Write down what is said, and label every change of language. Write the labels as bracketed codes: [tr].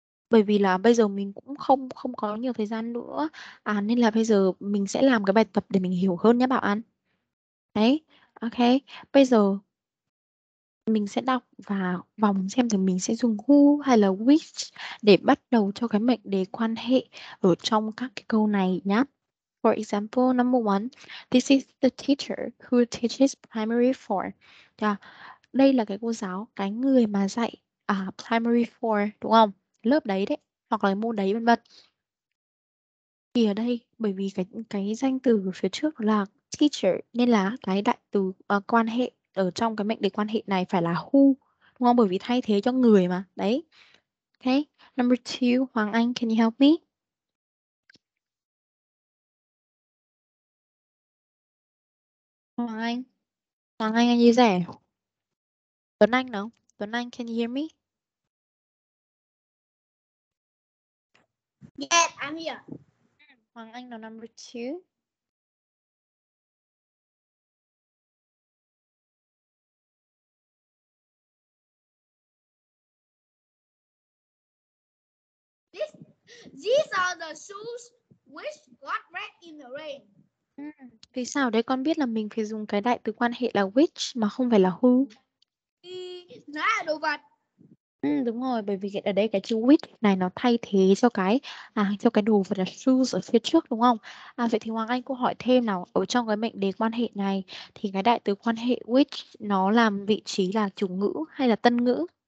[vi] Bởi vì là bây giờ mình cũng không có nhiều thời gian nữa. À, nên là bây giờ mình sẽ làm cái bài tập để mình hiểu hơn nhé Bảo An. Đấy, ok. Bây giờ mình sẽ đọc và vòng xem thì mình sẽ dùng who hay là which để bắt đầu cho cái mệnh đề quan hệ ở trong các cái câu này nhé. [en] For example, number one, this is the teacher who teaches primary four. Yeah. [vi] Đây là cái cô giáo, cái người mà dạy primary four, đúng không? Lớp đấy đấy, hoặc là môn đấy vân vân. thì ở đây bởi vì cái danh từ phía trước là teacher nên là cái đại từ quan hệ ở trong cái mệnh đề quan hệ này phải là who, đúng không? Bởi vì thay thế cho người mà. [en] Đấy. Okay. Number two, Hoàng Anh, can you help me? [vi] Hoàng Anh anh như rẻ. Tuấn Anh đúng không? Tuấn Anh, [en] can you hear me? Yes, I'm here. [vi] Hoàng Anh là [en] number two. These are the shoes which got wet in the rain. [vi] Vì sao đấy con biết là mình phải dùng cái đại từ quan hệ là which mà không phải là who? Nó là đồ vật. Ừ, đúng rồi, bởi vì ở đây cái chữ which này nó thay thế cho cái đồ vật là shoes ở phía trước, đúng không? À, vậy thì Hoàng Anh cũng hỏi thêm nào, ở trong cái mệnh đề quan hệ này thì cái đại từ quan hệ which nó làm vị trí là chủ ngữ hay là tân ngữ?